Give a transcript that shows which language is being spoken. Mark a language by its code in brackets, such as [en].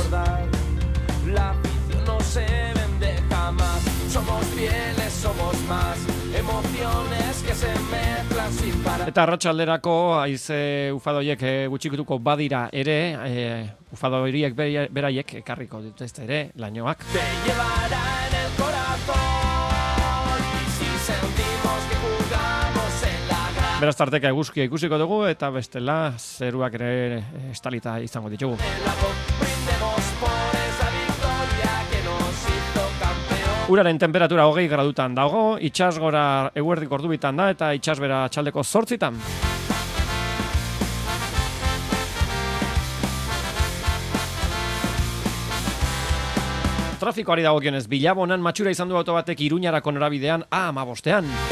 [es] La afición no se vende jamás. Somos fieles, somos más. Emociones que se mezclan sin parar. [eu] Eta arratsalderako haize ufado hoiek gutxikutuko badira ere, ufado horiek beraiek ekarriko dituzte ere lainoak. [es] Te llevará en el corazón. Y si sentimos que jugamos en la gran. [eu] Beraz tarteka eguzkia ikusiko dugu eta bestela zeruak ere estalita izango ditugu. [es] Brindemos por esa victoria que nos hizo campeón. [eu] Uraren temperatura 20 gradutan dago, itsasgora eguerdik ordubitan da eta itsasbera txaldeko 8etan. Trafikoari dagokionez, Bilabonan matxura izan du auto batek Iruñarako norabidean A15ean.